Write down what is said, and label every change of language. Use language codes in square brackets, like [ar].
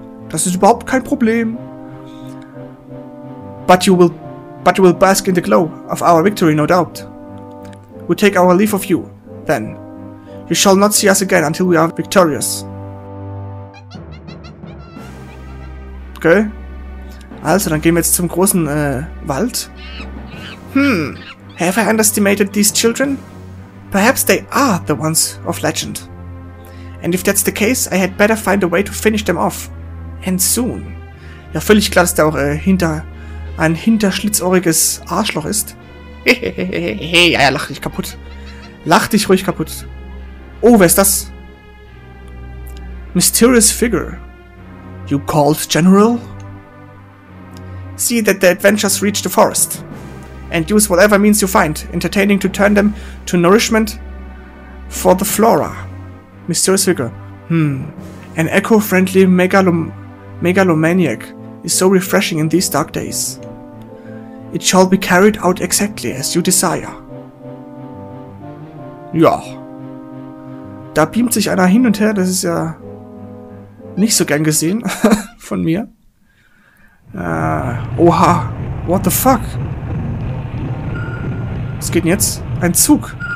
[de] Das ist überhaupt kein Problem. [en] But you will bask in the glow of our victory, no doubt. We take our leave of you, then. You shall not see us again until we are victorious. Okay. [de] Also, dann gehen wir jetzt zum großen Wald. [en] Have I underestimated these children? Perhaps they are the ones of legend. And if that's the case, I had better find a way to finish them off. And soon. [de] Ja, völlig klar, dass der auch ein hinterschlitzohriges Arschloch ist. Hehehehe. Ja, lach dich kaputt. Lach dich ruhig kaputt. Oh, wer ist das? [en] Mysterious figure. You called, General? See that the adventurers reach the forest. And use whatever means you find, entertaining to turn them to nourishment for the flora. Mysterious figure. An eco-friendly megalomaniac is so refreshing in these dark days. It shall be carried out exactly as you desire. [de] Ja. Da beamt sich einer hin und her, das ist ja nicht so gern gesehen von mir. [en] Oha. What the fuck? [de] Was geht denn jetzt? Ein Zug.